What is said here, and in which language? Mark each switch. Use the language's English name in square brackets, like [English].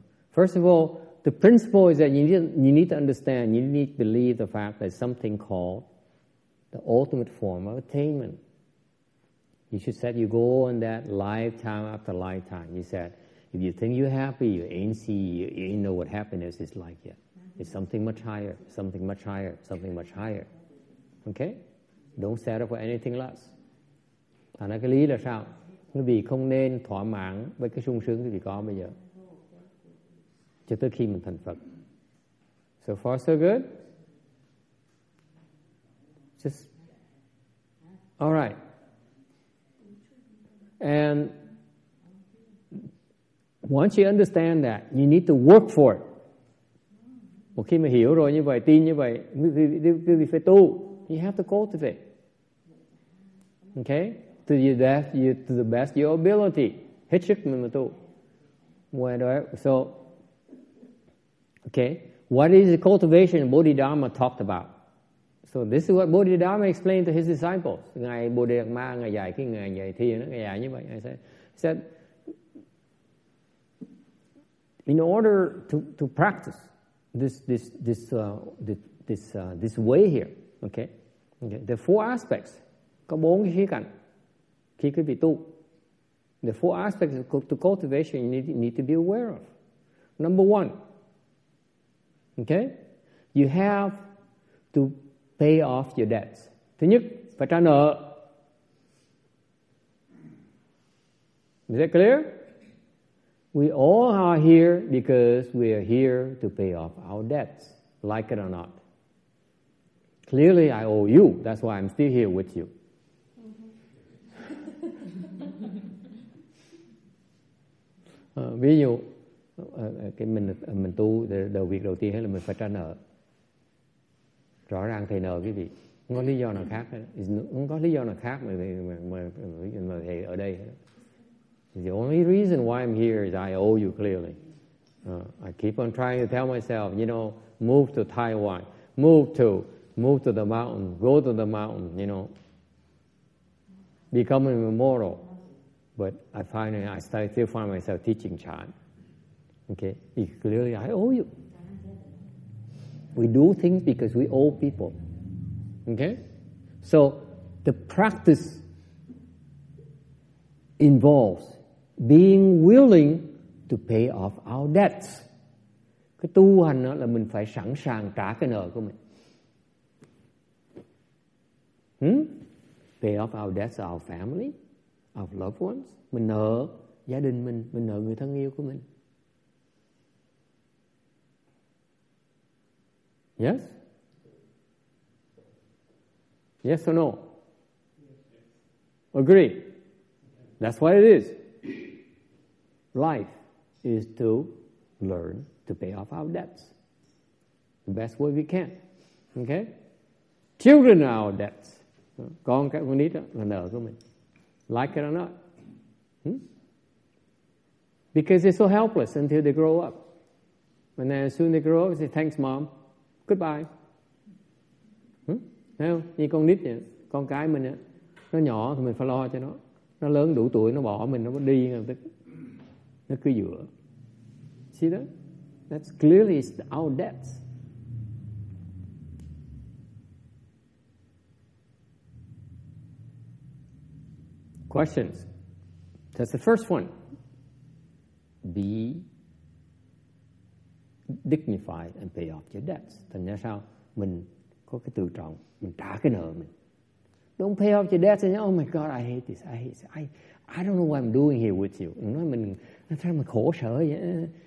[English] First of all, the principle is that you need to understand, you need to believe the fact that something called the ultimate form of attainment. You should set your goal in that lifetime after lifetime. You said, if you think you're happy, you ain't see, you ain't know what happiness is like yet. It's something much higher, something much higher, something much higher. Okay? Don't settle for anything less. [Vietnamese] Thành ra cái lý là sao? Quý vị không nên thỏa mãn với cái sung sướng quý vị có bây giờ. Cho tới khi mình thành Phật. [English] So far so good? Just... All right. And once you understand that, you need to work for it. [Vietnamese] Một khi mà hiểu rồi như vậy, tin như vậy, quý vị phải tu. [English] You have to cultivate. Okay? To your death, to the best of your ability. [Vietnamese] Hết sức mình mà tu. [English] So, okay? What is the cultivation Bodhidharma talked about? So this is what Bodhidharma explained to his disciples. [Vietnamese] Ngài Bodhidharma, Ngài dạy cái người dạy thiền, Ngài dạy như vậy. [English] He said, in order to practice this way here, okay, there are four aspects. [Vietnamese] Có bốn cái khía cạnh khi quý vị tu. [English] The four aspects of to cultivation you need to be aware of. Number one, okay, you have to pay off your debts. [Vietnamese] Thứ nhất, phải trả nợ. [English] Is that clear? We all are here because we are here to pay off our debts, like it or not. Clearly, I owe you. That's why I'm still here with you. [Vietnamese] Ví dụ, cái mình tu đầu việc đầu tiên là mình phải trả nợ. Rõ ràng thầy nợ quý vị. Không có lý do nào khác. Không có lý do nào khác mà thầy ở đây. [English] The only reason why I'm here is I owe you clearly. I keep on trying to tell myself, you know, move to Taiwan, move to the mountain, go to the mountain, you know, become an immortal. But I still find myself teaching Chan. Okay? Clearly, I owe you. We do things because we owe people. Okay? So, the practice involves being willing to pay off our debts. [Vietnamese] Cái tu hành đó là mình phải sẵn sàng trả cái nợ của mình. [English] Pay off our debts to our family, our loved ones. [Vietnamese] Mình nợ gia đình mình nợ người thân yêu của mình. [English] Yes? Yes or no? Agree? That's what it is. Life is to learn to pay off our debts the best way we can. Okay? Children are our debts. [Vietnamese] Con cái con nít là nợ của mình. [English] Like it or not. Because they're so helpless until they grow up. And then as soon as they grow up, they say, thanks, mom. Goodbye. [Vietnamese] Thấy không? Như con nít vậy. Con cái mình, nó nhỏ thì mình phải lo cho nó. Nó lớn đủ tuổi, nó bỏ mình, nó đi. Nó cứ dựa. [English] See that? That's clearly our debts. Questions? That's the first one. Be dignified and pay off your debts. [Vietnamese] Thành ra sao? Mình có cái tự trọng, mình trả cái nợ mình. [English] Don't pay off your debts. And, oh my God, I hate this. I hate this. I don't know what I'm doing here with you. [Vietnamese] Nói mình, nó thấy mình khổ sở vậy.